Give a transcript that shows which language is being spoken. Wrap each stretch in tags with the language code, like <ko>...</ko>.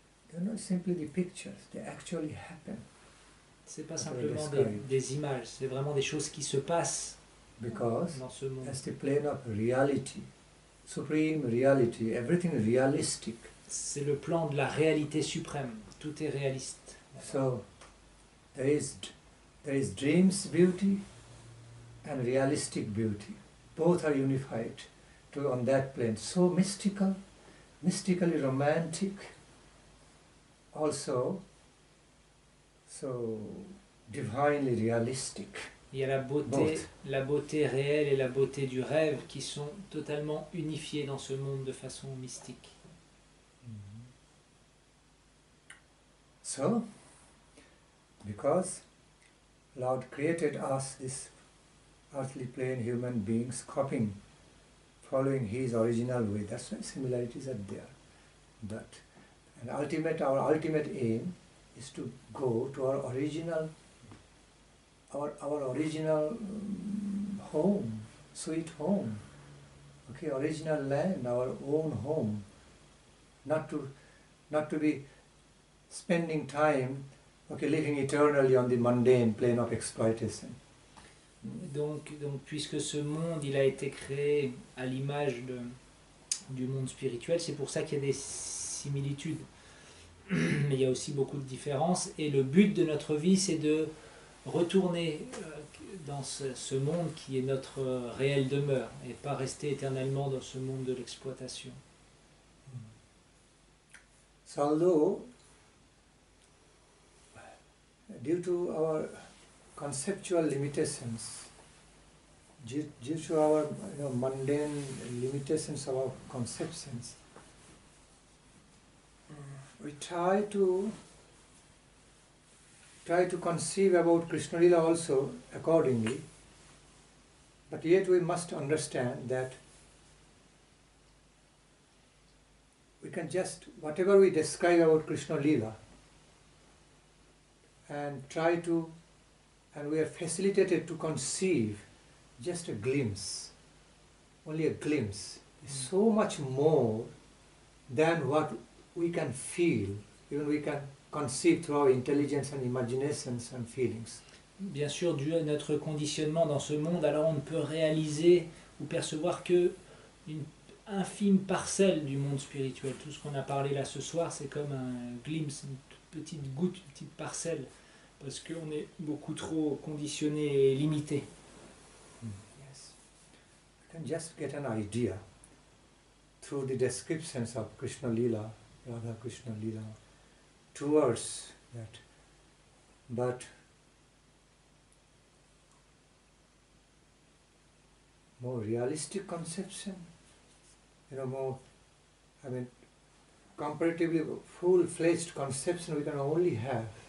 <en>They're not simply the pictures, they actually happen.</en> <fr>C'est pas simplement des images, c'est vraiment des choses qui se passent</fr> <en>because</en> <fr>dans ce monde.</fr> <en>That's the plane of reality, supreme reality, everything realistic.</en> <fr>C'est le plan de la réalité suprême. Tout est réaliste.</fr> <en>So, there is dreams beauty and realistic beauty. Both are unified to on that plane. So mystical, mystically romantic. Also, so divinely realistic.</en> <fr>Il y a la beauté réelle et la beauté du rêve qui sont totalement unifiées dans ce monde de façon mystique.</fr> <en>So, because Lord created us, this earthly plane, human beings, copying following his original way. That's why similarities are there. But an ultimate, our ultimate aim is to go to our original, our original home, sweet home. Okay, original land, our own home. Not to be spending time, okay, living eternally on the mundane plane of exploitation.</en> <fr>Donc, puisque ce monde il a été créé à l'image de, du monde spirituel, c'est pour ça qu'il y a des similitudes. Mais il y a aussi beaucoup de différences. Et le but de notre vie, c'est de retourner dans ce monde qui est notre réelle demeure et pas rester éternellement dans ce monde de l'exploitation.</fr> <en>So, although, due to our conceptual limitations, due to our mundane limitations of our conceptions, we try to conceive about Krishna Lila also accordingly, but yet we must understand that we can just, whatever we describe about Krishna Lila, and we are facilitated to conceive just a glimpse, only a glimpse, is so much more than what we can feel, even we can conceive through our intelligence and imaginations and feelings.</en> <fr>Bien sûr, dû à notre conditionnement dans ce monde, alors on ne peut réaliser ou percevoir que une infime parcelle du monde spirituel. Tout ce qu'on a parlé là ce soir, c'est comme un glimpse, une petite goutte, une petite parcelle, parce qu'on est beaucoup trop conditionné et limité.</fr> <en>Yes. We can just get an idea through the descriptions of Krishna Lila, Radha Krishna Lila, towards that. But more realistic conception, comparatively full-fledged conception we can only have</en>